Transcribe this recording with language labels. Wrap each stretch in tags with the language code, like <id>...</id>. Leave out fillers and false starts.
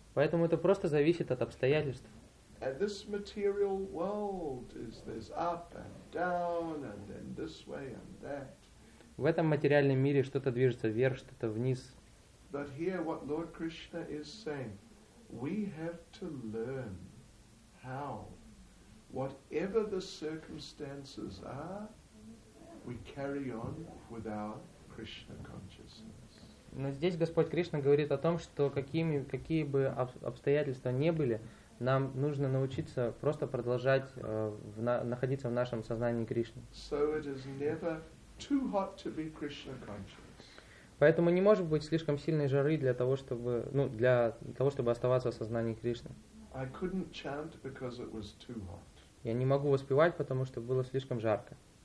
<ru>Поэтому это просто зависит от обстоятельств.</ru> <en>And this material world is this up and down and then this way and that.</en> <ru>В этом материальном мире что-то движется вверх, что-то вниз.</ru> <en>But here what Lord Krishna is saying, we have to learn how, whatever the circumstances are, we carry on with our Krishna consciousness.</en> <ru>Но здесь Господь Кришна говорит о том, что какие бы обстоятельства ни были, нам нужно научиться просто продолжать находиться в нашем сознании Кришны.</ru> <en>So it is never too hot to be Krishna conscious.</en> <ru>Поэтому не может быть слишком сильной жары для того, чтобы оставаться в сознании Кришны.</ru> <en>I couldn't chant because it was too hot.</en> <ru>Я не могу воспевать, потому что было слишком жарко.</ru>